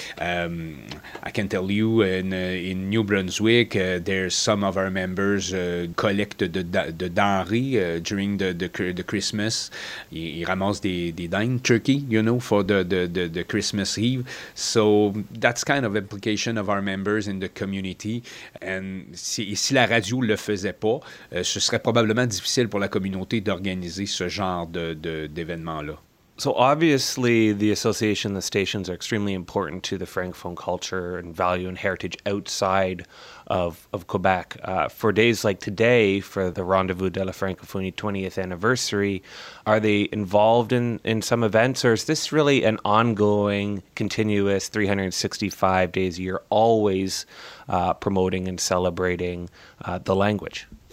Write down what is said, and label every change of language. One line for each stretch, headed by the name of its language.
English: I can tell you in New Brunswick, there's some of our members collect the denrées during the Christmas.
French: Ils ramassent des dindes,
English: turkey, you know, for the Christmas Eve. So that's kind of implication of our members in the community.
French: And si la radio le faisait pas, ce serait probablement difficile pour la communauté d'organiser ce genre d'événement-là.
English: So obviously the association, the stations are extremely important to the Francophone culture and value and heritage outside of Quebec. For days like today, for the Rendezvous de la Francophonie 20th anniversary, are they involved in some events, or is this really an ongoing, continuous 365 days a year, always promoting and celebrating the language?